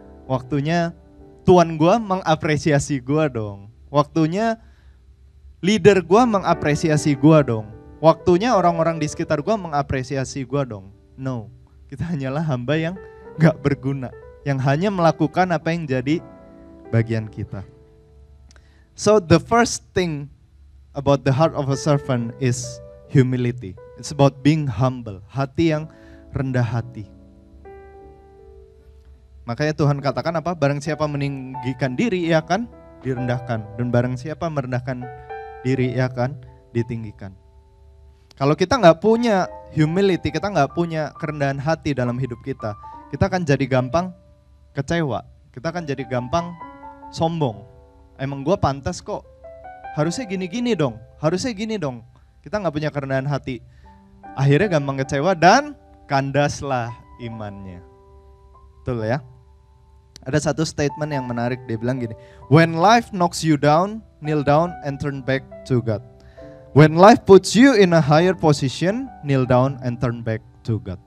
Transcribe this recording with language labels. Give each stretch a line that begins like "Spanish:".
Indonesian: Waktunya tuan gue mengapresiasi gue dong. Waktunya leader gue mengapresiasi gue dong. Waktunya orang-orang di sekitar gue mengapresiasi gue dong. No, kita hanyalah hamba yang gak berguna. Yang hanya melakukan apa yang jadi bagian kita.
English: So the first thing about the heart of a servant is humility. It's about being humble,
Indonesian: hati yang rendah hati. Makanya Tuhan katakan apa? Barang siapa meninggikan diri, ia akan direndahkan. Dan barang siapa merendahkan diri, ia akan ditinggikan. Kalau kita gak punya humility, kita gak punya kerendahan hati dalam hidup kita, kita akan jadi gampang kecewa. Kita akan jadi gampang sombong. Emang gue pantas kok. Harusnya gini-gini dong. Harusnya gini dong. Kita gak punya kerendahan hati. Akhirnya gampang kecewa dan kandaslah imannya. Betul ya. Ada satu statement yang menarik. Dia bilang gini.
English: When life knocks you down, kneel down and turn back to God. When life puts you in a higher position, kneel down and turn back to God.